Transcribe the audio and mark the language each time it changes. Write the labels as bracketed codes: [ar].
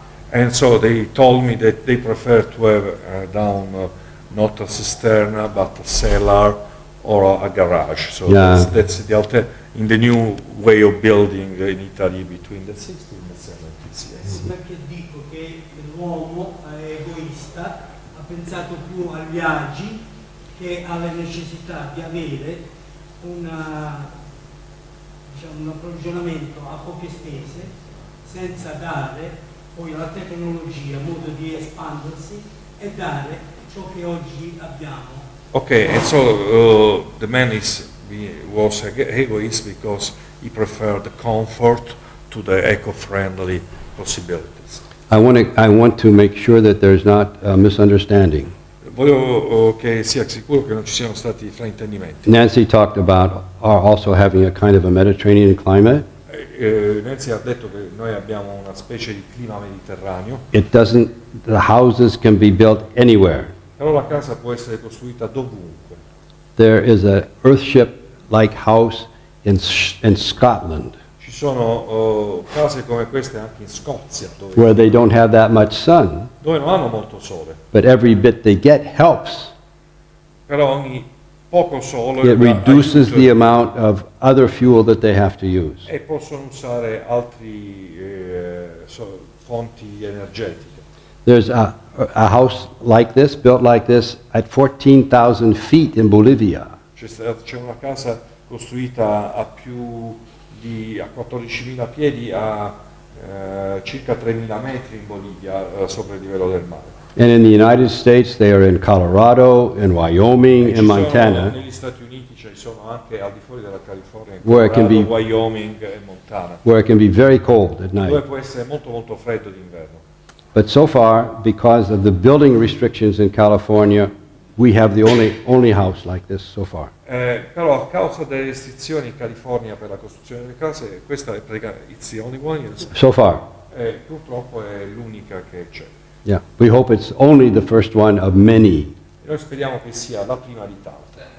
[en] And so they told me that they prefer to have down not a cisterna but a cellar or a garage. So that's the in the new way of building in Italy between the 60s and the 70s. Yes. [it] Perché dico che l'uomo è egoista, ha pensato più ai viaggi che alla necessità di avere una, diciamo, un approvvigionamento a poche spese senza dare poi la tecnologia, modo di espandersi e dare ciò che oggi abbiamo. [en] Okay, and so the man was egoist because he preferred the comfort to the eco-friendly possibilities. I want to make sure that there's not a misunderstanding. [it] Voglio che sia sicuro che non ci siano stati fraintendimenti. [en] Nancy talked about also having a kind of a Mediterranean climate. [it] Nancy ha detto che noi abbiamo una specie di clima mediterraneo. [en] It doesn't, the houses can be built anywhere. [it] Però la casa può essere costruita dovunque. [en] There is an earthship-like house in Scotland. [it] Ci sono case come queste anche in Scozia, dove [en] where they don't have that much sun. [it] Dove non hanno molto sole. [en] But every bit they get helps. [it] Però ogni poco sole [en] it reduces the amount of other fuel that they have to use. [it] E possono usare altri fonti energetiche. [en] There's a house like this, built like this, at 14,000 feet in Bolivia. [it] C'è una casa costruita a più di a 14.000 piedi a circa 3.000 metri in Bolivia sopra il livello del mare. [en] And in the United States, they are in Colorado, in Wyoming, in Montana. [it] Negli Stati Uniti, cioè, sono anche al di fuori della California, in Colorado, Wyoming e Montana. [en] Where it can be very cold at night. [it] Dove può essere molto molto freddo d'inverno. [en] But so far, because of the building restrictions in California, we have the only house like this so far. [it] Però a causa delle restrizioni in California per la costruzione delle case, questa è praticamente [en] it's the only one. Yes. So far. [it] Purtroppo è l'unica che c'è. [en] Yeah, we hope it's only the first one of many. [it] Noi speriamo che sia la prima di tante.